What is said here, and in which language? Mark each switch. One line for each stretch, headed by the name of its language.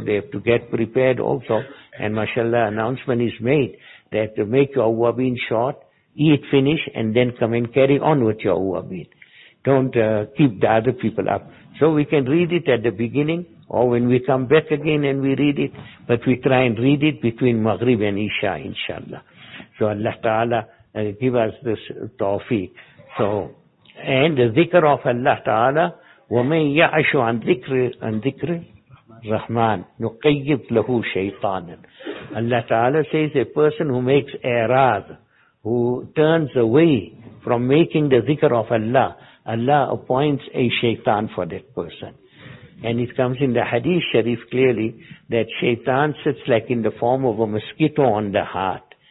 English: They have to get prepared also. And mashallah, announcement is made that to make your uwabin short, eat, finish, and then come and carry on with your uwabin. Don't keep the other people up. So we can read it at the beginning, or when we come back again and we read it, but we try and read it between Maghrib and Isha, inshallah. So Allah Ta'ala give us this tawfiq. So, and the dhikr of Allah Ta'ala,
Arabic: وَمَنْ يَعْشُ عَنْ ذِكْرِ رَحْمَانِ نُقَيِّبْ لَهُ شَيْطَانًا.
English: Allah Ta'ala says a person who makes a'raad, who turns away from making the dhikr of Allah, Allah appoints a shaitan for that person. And it comes in the hadith sharif clearly that shaitan sits like in the form of a mosquito on the heart.